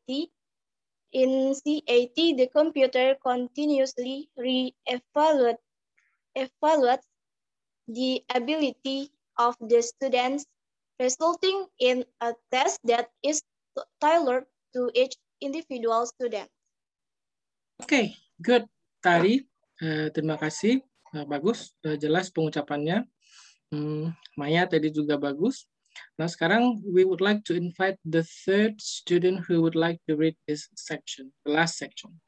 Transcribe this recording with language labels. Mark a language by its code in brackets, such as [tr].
[en] In CAT, the computer continuously re-evaluates the ability of the students, resulting in a test that is tailored to each individual student. Okay, good, Tari. [id] Terima kasih, bagus, jelas pengucapannya. Maya tadi juga bagus. Nah, sekarang [en] we would like to invite the third student who would like to read this section, the last section.